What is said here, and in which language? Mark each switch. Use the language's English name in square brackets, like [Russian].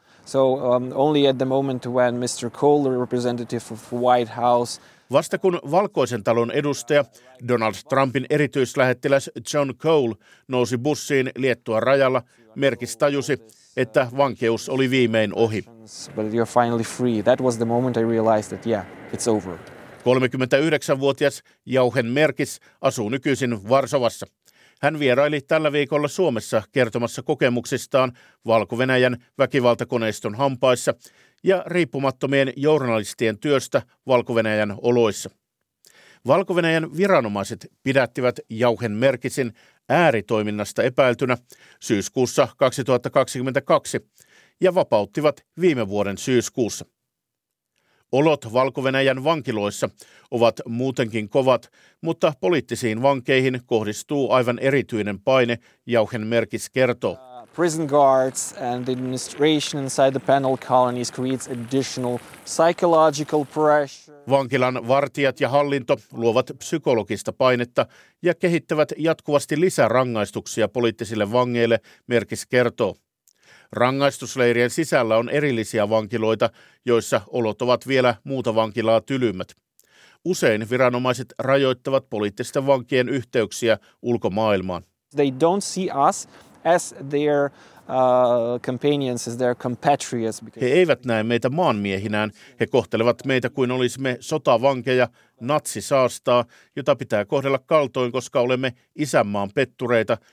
[English] So only at the moment when Mr. Kohler, representative of White House. [Finnish] Vasta kun Valkoisen talon edustaja, Donald Trumpin erityislähettiläs John Cole, nousi bussiin Liettuan rajalla, Merkis tajusi, että vankeus oli viimein ohi. [English] But you're finally free. That was the moment I realized that, yeah, it's over. [Finnish] 39-vuotias Jauhen Merkis asuu nykyisin Varsovassa. Hän vieraili tällä viikolla Suomessa kertomassa kokemuksistaan Valko-Venäjän väkivaltakoneiston hampaissa ja riippumattomien journalistien työstä Valko-Venäjän oloissa. Valko-Venäjän viranomaiset pidättivät Jauhen Merkisin ääritoiminnasta epäiltynä syyskuussa 2022 ja vapauttivat viime vuoden syyskuussa. Olot Valko-Venäjän vankiloissa ovat muutenkin kovat, mutta poliittisiin vankeihin kohdistuu aivan erityinen paine, Jauhen Merkis kertoo. [English] prison guards and the administration inside the penal colonies creates additional psychological pressure. [Finnish] Vankilan vartijat ja hallinto luovat psykologista painetta ja kehittävät jatkuvasti lisärangaistuksia poliittisille vangeille, merkis kertoo. Rangaistusleirien sisällä on erillisiä vankiloita, joissa olot ovat vielä muuta vankilaa tylymmät. Usein viranomaiset rajoittavat poliittisten vankien yhteyksiä ulkomaailmaan. [English] They don't see us as their companions, as their compatriots. [Finnish] He eivät näe meitä maanmiehinään. He kohtelevat meitä kuin olisimme sotavankeja, natsisaastaa, jota pitää kohdella kaltoin, koska olemme isänmaan pettureita.